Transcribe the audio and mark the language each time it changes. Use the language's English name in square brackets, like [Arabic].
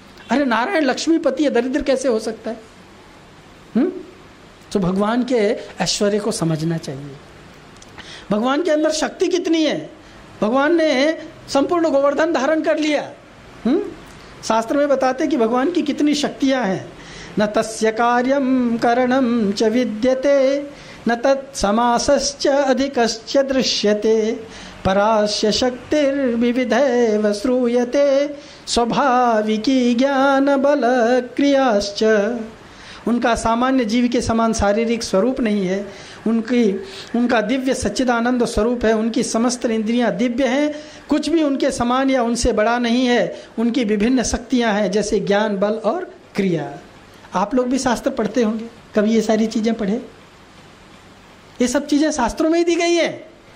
[Hindi] अरे नारायण लक्ष्मीपति है, दरिद्र कैसे हो सकता है। तो भगवान के ऐश्वर्य को समझना चाहिए, भगवान के अंदर शक्ति कितनी है। भगवान ने संपूर्ण गोवर्धन धारण कर लिया। शास्त्र में बताते कि भगवान की कितनी शक्तियां हैं। [Sanskrit] न तस्य कार्यम करणम च विद्यते न तत् समासश्च अधिकश्च दृश्यते परास्य शक्तिर् विविधैव श्रूयते स्वभाविकी ज्ञान बल क्रियाश्च। [Hindi] उनका सामान्य जीव के समान शारीरिक स्वरूप नहीं है, उनकी उनका दिव्य सच्चिदानंद स्वरूप है, उनकी समस्त इंद्रियां दिव्य हैं, कुछ भी उनके समान या उनसे बड़ा नहीं है, उनकी विभिन्न शक्तियां हैं जैसे ज्ञान बल और क्रिया। आप लोग भी शास्त्र पढ़ते होंगे, कभी ये सारी चीज़ें पढ़े, ये सब चीज़ें शास्त्रों में ही दी गई है।